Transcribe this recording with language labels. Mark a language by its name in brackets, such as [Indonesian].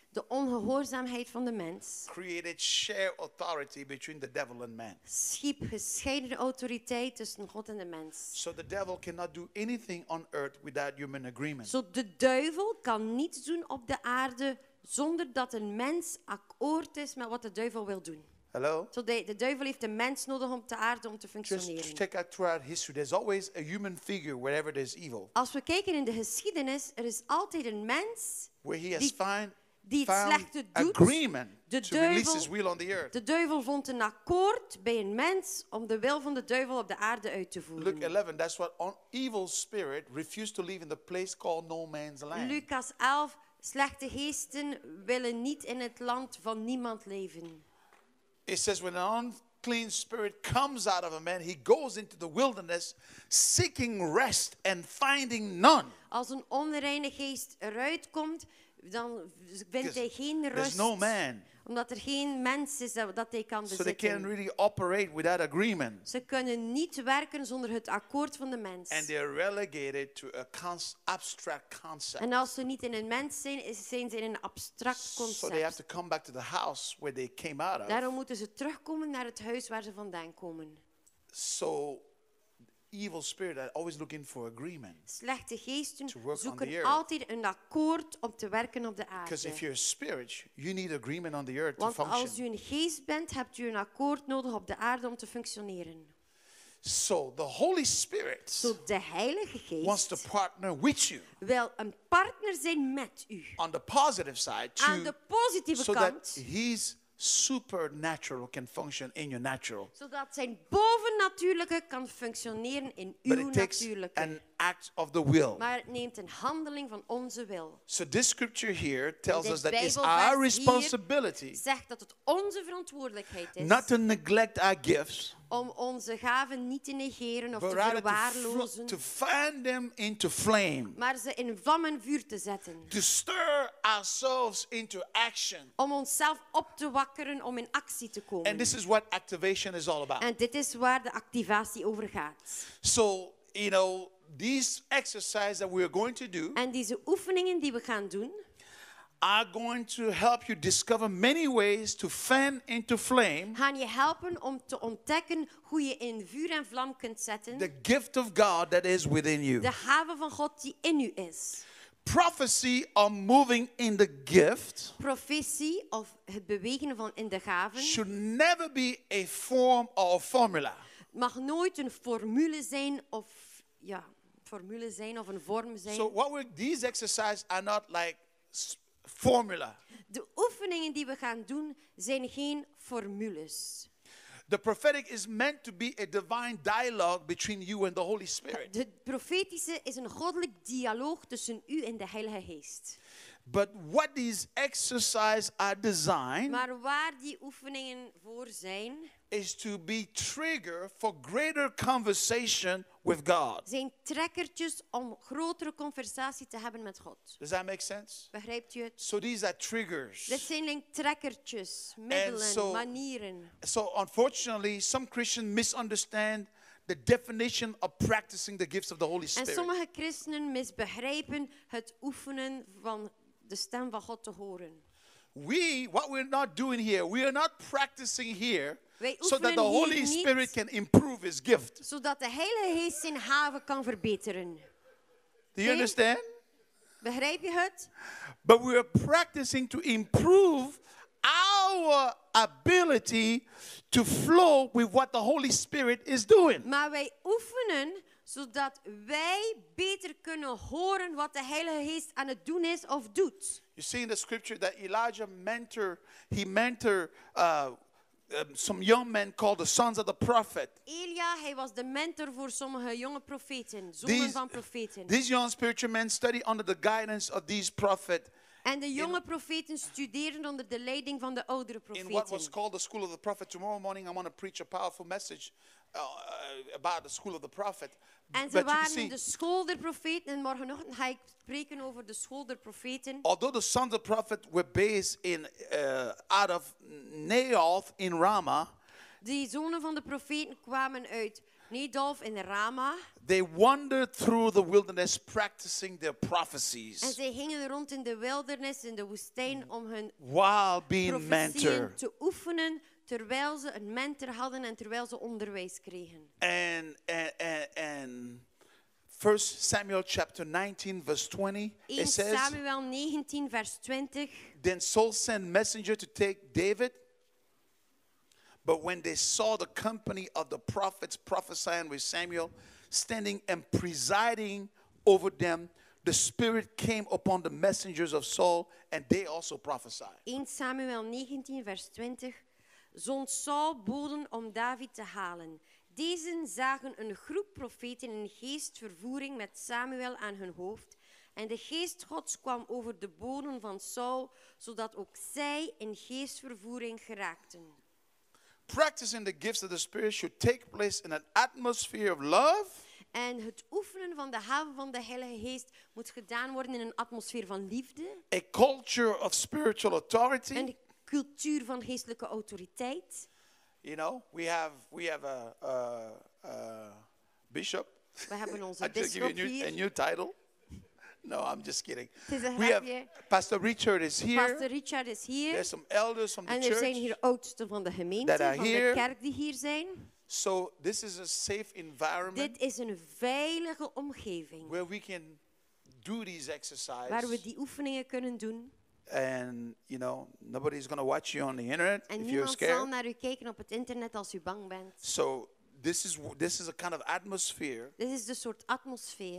[Dutch] de ongehoorzaamheid van de mens, [English] created shared authority between the devil and man. [Dutch] Schiep gescheiden autoriteit tussen God en de mens. [English] So the devil cannot do anything on earth without human agreement. [Dutch] Zo de duivel kan niets doen op de aarde zonder dat een mens akkoord is met wat de duivel wil doen. [English] Hello. [Dutch] So de duivel heeft de mens nodig om te aarde om te functioneren. [English] Just check out throughout history, there's always a human figure wherever there's evil. [Dutch] Als we kijken in de geschiedenis, er is altijd een mens [English] where he has [Dutch] die het slechte doet. [English] Agreement [Dutch] de duivel, [English] to release his will on the earth. [Dutch] De duivel vond een akkoord bij een mens om de wil van de duivel op de aarde uit te voeren. [English] Luke 11, that's what an evil spirit refused to live in the place called no man's land. [Dutch] Lucas 11, slechte geesten willen niet in het land van niemand leven. [English] It says when an unclean spirit comes out of a man, he goes into the wilderness seeking rest and finding none. [Dutch] Als een onreine geest eruit komt, dan vindt hij geen rust. [English] There's no man. [Dutch] Omdat er geen mens is dat hij kan bezitten. [English] So they can't really operate without agreement. [Dutch] Ze kunnen niet werken zonder het akkoord van de mens. [English] And they're relegated to a abstract concept. [Dutch] En als ze niet in een mens zijn, zijn ze in een abstract concept. [English] So they have to come back to the house where they came out of. [Dutch] Daarom moeten ze terugkomen naar het huis waar ze vandaan komen. [English] So evil spirit are always looking for agreement. [Dutch] Slechte geesten zoeken altijd een akkoord om te werken op de aarde. [English] Because if you're a spirit, you need agreement on the earth [Dutch] want [English] to function. [Dutch] Als u een geest bent, hebt u een akkoord nodig op de aarde om te functioneren. [English] So the Holy Spirit, [Dutch] so de Heilige Geest, [English] wants to partner with you. [Dutch] Wil een partner zijn met u. [English] On the positive side, [Dutch] aan de positieve [English] so [Dutch] kant. [English] He's supernatural can function in your natural. [Dutch] Zodat zijn bovennatuurlijke kan functioneren in uw natuurlijke. [English] An act of the will. [Dutch] Maar het neemt een handeling van onze wil. [English] So this scripture here tells us that it's our responsibility. [Dutch] Zegt dat het onze verantwoordelijkheid is. [English] Not to neglect our gifts. [Dutch] Om onze gaven niet te negeren of te verwaarlozen. [English] To fan them into flame. [Dutch] Maar ze in vlam en vuur te zetten. [English] To stir ourselves into action. [Dutch] Om onszelf op te wakkeren om in actie te komen. [English] And this is what activation is all about. [Dutch] En dit is waar de activatie over gaat. [English] So, you know, these exercises that we are going to do. [Dutch] En deze oefeningen die we gaan doen. [English] Are going to help you discover many ways to fan into flame. [Dutch] Gaan je helpen om te ontdekken hoe je in vuur en vlam kunt zetten. [English] The gift of God that is within you. [Dutch] De gave van God die in u is. [English] Prophecy of moving in the gift. [Dutch] Profetie of het bewegen van in de gaven. [English] Should never be a form or a formula. [Dutch] Mag nooit een formule zijn of ja, formule zijn of een vorm zijn. [English] So what were these exercises are not like. Formula. [Dutch] De oefeningen die we gaan doen zijn geen formules. [English] The prophetic is meant to be a divine dialogue between you and the Holy Spirit. [Dutch] De profetische is een goddelijk dialoog tussen u en de Heilige Geest. [English] But what these exercises are designed. [Dutch] Maar waar die oefeningen voor zijn. [English] Is to be trigger for greater conversation with God. [Dutch] Zijn trekkertjes om grotere conversatie te hebben met God. [English] Does that make sense? [Dutch] Begrijpt u het? [English] So these are triggers. [Dutch] Dit zijn trekkertjes, middelen, [English] so, [Dutch] manieren. [English] So unfortunately, some Christians misunderstand the definition of practicing the gifts of the Holy Spirit. [Dutch] En sommige christenen misbegrijpen het oefenen van de stem van God te horen. [English] What we're not doing here, we are not practicing here. So that the Holy Spirit can improve his gift. [Dutch] Zodat de Heilige Geest zijn gaven kan verbeteren. [English] Do you understand? [Dutch] Begrijp je het? [English] But we are practicing to improve our ability to flow with what the Holy Spirit is doing. [Dutch] Maar wij oefenen zodat wij beter kunnen horen wat de Heilige Geest aan het doen is of doet. [English] You see in the scripture that Elijah mentor some young men called the sons of the prophet. [Dutch] Elia, [English] he was the mentor for [Dutch] sommige jonge profeten, zonen van profeten. [English] These young spiritual men studied under the guidance of these prophets. [Dutch] En de jonge profeten studeerden onder de leiding van de oudere profeten. [English] In what was called the school of the prophet. Tomorrow morning I'm going to preach a powerful message about the school of the prophet. [Dutch] En ze waren de school der profeten. En morgenochtend ga ik spreken over de school der profeten. [English] Although the sons of the prophet were based in out of Naoth in Ramah. [Dutch] Die zonen van de profeten kwamen uit Nedolf in Rama. [English] They wandered through the wilderness practicing their prophecies. [Dutch] En ze gingen rond in de wildernis in de woestijn om hun profetieën te oefenen terwijl ze een mentor hadden en terwijl ze onderwijs kregen. [English] And 1 Samuel chapter 19 verse 20 it says [Dutch] Samuel 19 vers 20 [English] Then Saul sent messenger to take David. But when they saw the company of the prophets prophesying with Samuel, standing and presiding over them, the Spirit came upon the messengers of Saul, and they also prophesied. [Dutch] 1 Samuel 19, vers 20. Zond Saul boden om David te halen. Deze zagen een groep profeten in geestvervoering met Samuel aan hun hoofd. En de geest Gods kwam over de boden van Saul, zodat ook zij in geestvervoering geraakten. [English] Practicing the gifts of the Spirit should take place in an atmosphere of love. [Dutch] En het oefenen van de gaven van de Heilige Geest moet gedaan worden in een atmosfeer van liefde. [English] A culture of spiritual authority. [Dutch] Een cultuur van geestelijke autoriteit. [English] You know, we have a bishop. [Dutch] We hebben onze bisschop hier. [English] I just give you a new title. No, I'm just kidding. We have Pastor Richard is here. Pastor Richard is here. There's some elders from the church. [Dutch] En er zijn hier oudsten van de gemeente, van de kerk die hier zijn. [English] So this is a safe environment. [Dutch] Dit is een veilige omgeving. [English] Where we can do these exercises. [Dutch] Waar we die oefeningen kunnen doen. [English] And you know, nobody's going to watch you on the internet [Dutch] en [English] if you're scared. [Dutch] En niemand zal naar u kijken op het internet als u bang bent. [English] So This is a kind of atmosphere. [Dutch] Dit is de soort atmosfeer